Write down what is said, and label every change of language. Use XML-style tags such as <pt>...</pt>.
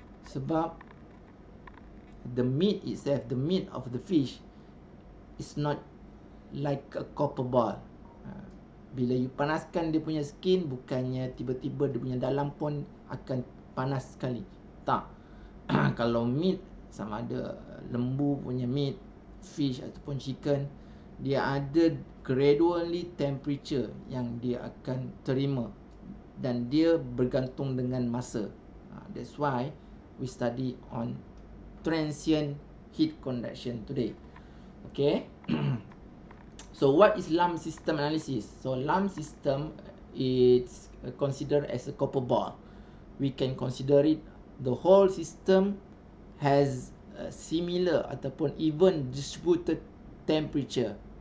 <ms>Sebab</ms> <en>the meat itself, the meat of the fish is not like a copper ball.</en> <ms>Bila you panaskan dia punya skin, bukannya tiba-tiba dia punya dalam pun akan panas sekali. Tak. Kalau meat, sama ada lembu punya meat, fish ataupun chicken, dia ada gradually temperature yang dia akan terima. Dan dia bergantung dengan masa.</ms> <en>That's why we study on transient heat conduction today. Okay. So what is lump system analysis? So lump system is considered as a copper ball. We can consider it the whole system has a similar ataupun even distributed temperature.</en>